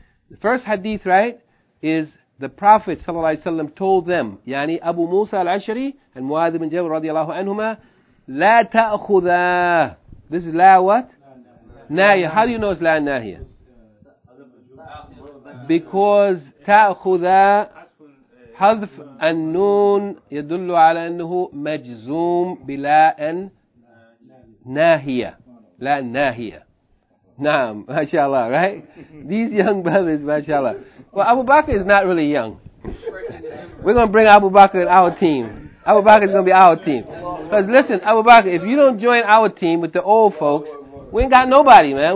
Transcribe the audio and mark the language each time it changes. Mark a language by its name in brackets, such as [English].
[English] The first hadith, right, is the Prophet sallallahu alayhi wa sallam told them, yani Abu Musa al-Ashari and Mu'adh ibn Jabal radiallahu anhumah, [Arabic] لا تأخذا. [English] This is لا what? [Arabic] ناهية. [English] How do you know it's لا ناهية? [Arabic] Because تأخذا حذف النون يدل على أنه مجزوم بلا ناهية. لا ناهية. نعم. ما شاء الله. Right? [English] These young brothers, [Arabic] ما شاء الله. [English] Well, Abu Bakr is not really young. We're going to bring Abu Bakr in our team. Abu Bakr is going to be our team. Because listen, Abu Bakr, if you don't join our team with the old folks, we ain't got nobody, man.